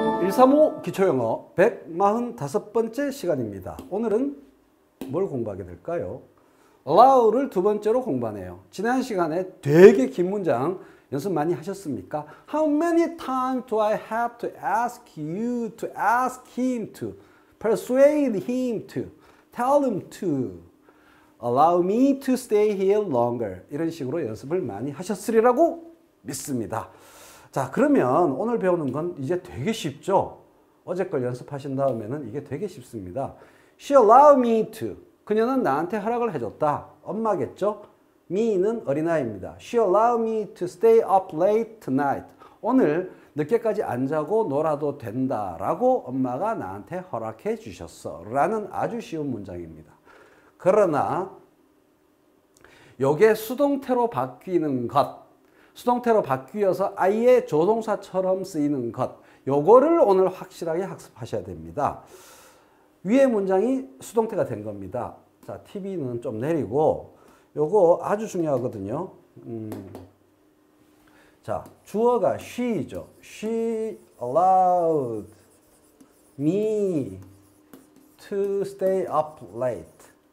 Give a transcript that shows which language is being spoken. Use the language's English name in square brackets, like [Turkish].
[Korean] 435 기초영어 145번째 시간입니다. 오늘은 뭘 공부하게 될까요? 라우를 두 번째로 공부하네요. 지난 시간에 되게 긴 문장 연습 많이 하셨습니까? [English] How many times do I have to ask you to ask him to persuade him to tell him to allow me to stay here longer [Korean] 이런 식으로 연습을 많이 하셨으리라고 믿습니다. 자, 그러면 오늘 배우는 건 이제 되게 쉽죠? 어제 걸 연습하신 다음에는 이게 되게 쉽습니다. [English] She allowed me to. [Korean] 그녀는 나한테 허락을 해줬다. 엄마겠죠? Me는 어린아이입니다. [English] She allowed me to stay up late tonight. [Korean] 오늘 늦게까지 안 자고 놀아도 된다라고 엄마가 나한테 허락해 주셨어. 라는 아주 쉬운 문장입니다. 그러나 이게 수동태로 바뀌는 것. 수동태로 바뀌어서 아예 조동사처럼 쓰이는 것, 요거를 오늘 확실하게 학습하셔야 됩니다. 위에 문장이 수동태가 된 겁니다. 자, TV는 좀 내리고, 요거 아주 중요하거든요. 자, 주어가 she죠. [English] She allowed me to stay up late.